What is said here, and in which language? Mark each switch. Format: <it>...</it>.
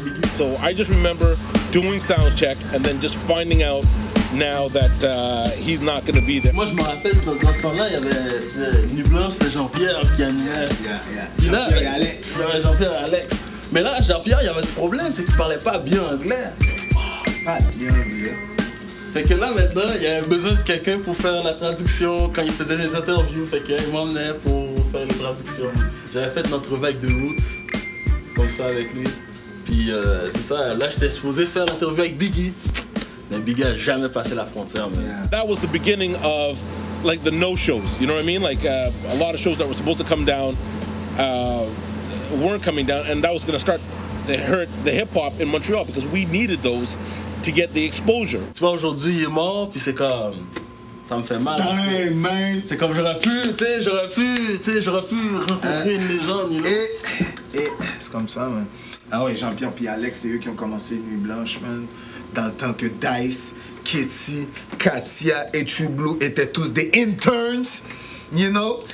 <en>So I just remember doing sound check and then just finding out now that he's not gonna be there.</en> <fr>Moi je me rappelle dans ce temps-là il y avait Nu Blanc, c'était Jean-Pierre qui animait. Jean-Pierre et Alex. Mais là Jean-Pierre il y avait ce problème, c'est qu'il parlait pas bien anglais. Oh, pas bien anglais. Fait que là maintenant il y avait besoin de quelqu'un pour faire la traduction quand il faisait des interviews. Fait qu'il m'emmenait pour faire les traductions. J'avais fait notre vague de roots. Comme ça avec lui. Puis c'est ça, là j'étais supposé faire l'interview avec Biggie. Mais Biggie a jamais passé la frontière, man. Yeah.</fr> <en>That was the beginning of like the no shows, you know what I mean? Like a lot of shows that were supposed to come down weren't coming down, and that was gonna start to hurt the hip hop in Montreal because we needed those to get the exposure.</en> <fr>Tu vois, aujourd'hui il est mort, puis c'est comme. Ça me fait mal.</fr> <en>Dang, man.</en> <fr>C'est comme j'aurais pu rencontrer une légende, you know? c'est comme ça, man. Ah ouais, Jean-Pierre puis Alex, c'est eux qui ont commencé Nuit Blanche, man. Dans le temps que Dice, Kitty, Katia et True Blue étaient tous des interns, you know?</fr>